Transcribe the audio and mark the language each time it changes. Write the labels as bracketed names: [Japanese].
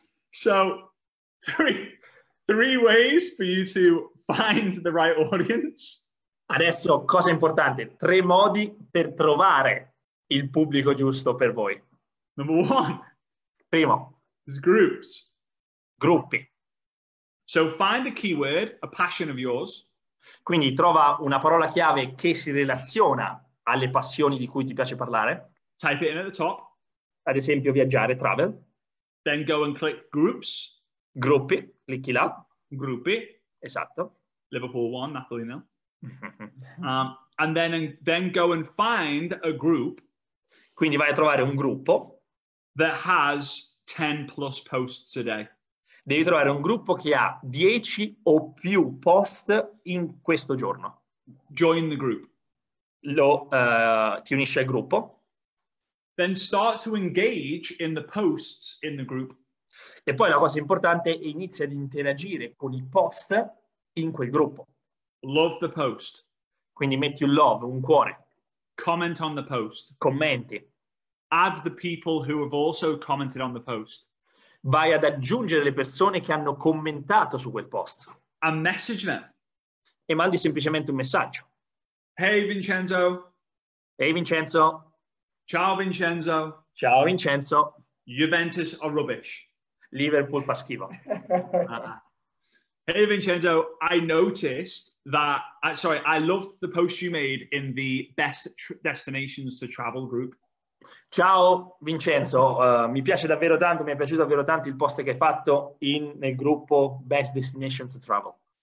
[English] so, three ways for you to find the right audience. [Italian] Adesso, cosa importante, 3 modi per trovare il pubblico giusto per voi. [English] Number one. [Italian] Primo. [English] Is groups. [Italian] Gruppi. [English] So, find a keyword, a passion of yours. [Italian] Quindi, trova una parola chiave che si relaziona alle passioni di cui ti piace parlare. [English] Type it in at the top. [Italian] Ad esempio, viaggiare, travel. [English] Then go and click groups. [Italian] Gruppi, clicchi là. Gruppi. Esatto. [English] Liverpool 1, Napoli no. and then go and find a group. [Italian] Quindi vai a trovare un gruppo. [English] That has 10 plus posts a day. [Italian] Devi trovare un gruppo che ha 10 o più post in questo giorno. [English] Join the group. [Italian] lo ti unisci al gruppo. [English] Then start to engage in the posts in the group. [Italian] E poi la cosa importante è inizia ad interagire con i post in quel gruppo. [English] Love the post. [Italian] Quindi metti un love, un cuore. [English] Comment on the post. [Italian] Commenti. [English] Add the people who have also commented on the post. [Italian] Vai ad aggiungere le persone che hanno commentato su quel post. [English] And message them. [Italian] E mandi semplicemente un messaggio. [English] Hey Vincenzo. Hey Vincenzo. [Italian] Ciao Vincenzo. Ciao Vincenzo. [English] Juventus are rubbish. [Italian] Liverpool fa schifo. [English] Hey Vincenzo, I noticed that, sorry, I loved the post you made in the best destinations to travel group. [Italian] Ciao Vincenzo, mi piace davvero tanto, mi è piaciuto davvero tanto il post che hai fatto nel gruppo Best Destinations to Travel.